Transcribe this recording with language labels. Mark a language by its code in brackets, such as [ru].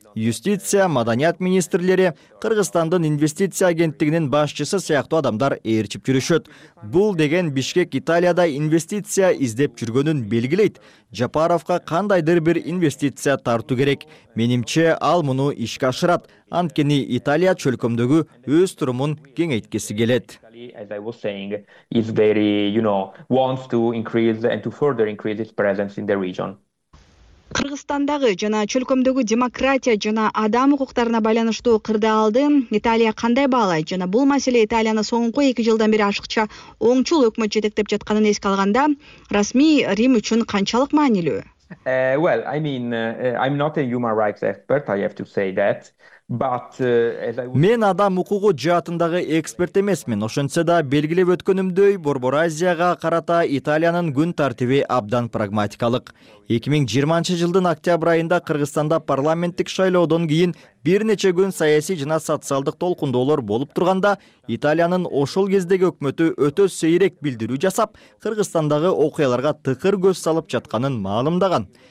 [ky] Юстиция, маданият министрлери, Кыргызстандын инвестиция агенттигинин башчысы сыяктуу адамдар ээрчип жүрүшөт. Бул деген Бишкек Италияда инвестиция издеп жүргөнүн белгилейт. Жапаровка кандайдыр бир инвестиция тартуу керек. Менимче, ал муну ишке ашырат. Анткени Италия чөлкөмдөгү өз турумун кеңейткиси келет. [en] As I was saying, is very, wants to increase and to further increase its presence in the region. [ky] Кыргызстандагы жана чөлкөмдөгү демократия жана адам укуктарына байланыштуу кырдаалдын Италия кандай баалайт жана бул маселе Италияны соңку 2 жылдан бери ашыкча оңчул өкмөт жетектеп жатканын эске алганда расмий Рим үчүн канчалык маанилүү? [en] Well, I mean, I'm not a human rights expert, I have to say that. But [ky] мен адам укугу жаатындагы эксперт эмесмин. Ошентсе да белгилеп өткөнүмдөй, Борбор Азияга карата Италиянын күн тартиби абдан прагматикалык. 2020 жылдын октябрь айында Кыргызстанда парламенттик шайлоодон кийин бир нече күн саясий жана социалдык толкундоолор болуп турганда, Италиянын ошол кездеги өкмөтү өтө сейрек билдирүү жасап, Кыргызстандагы окуяларга тыкыр көз салып жатканын маалымдаган.